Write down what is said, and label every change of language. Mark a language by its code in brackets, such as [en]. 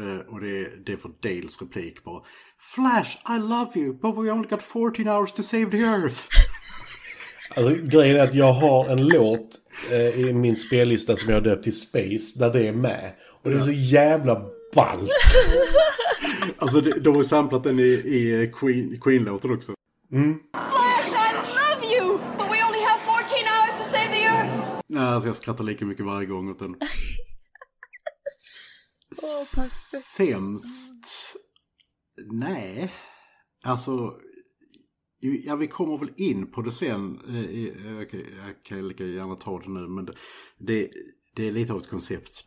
[sv] Och det är för Dales replik bara, [en] Flash, I love you, but we only got 14 hours to save the earth. [sv] Alltså, grejen är att jag har en låt i min spellista som jag har döpt till Space, där det är med. Och det är så jävla ballt. Alltså, de har samplat den i Queen-låten också. [en] Flash, I love you! But we only have 14 hours to save the earth! [sv] Nej, alltså, jag skrattar lika mycket varje gång åt den. Oh, sämst? Nej. Alltså, ja, vi kommer väl in på det sen. Okay, jag kan lika gärna ta det nu, men det är lite av ett koncept.